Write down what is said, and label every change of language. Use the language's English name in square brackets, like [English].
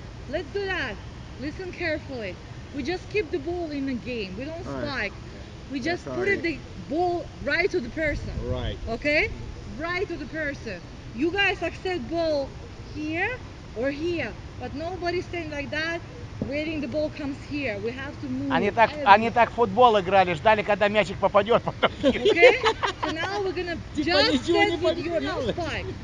[English] Let's do that. Listen carefully. We just keep the ball in the game. We don't spike. We just put it, the ball right to the person. Right. Okay? Right to the person. You guys accept ball here or here. But nobody staying like that, waiting the ball comes here. We have to move. [Russian] Они так футбол играли, ждали, когда мячик попадет. [English] Okay? So now we're going to just set with your spike.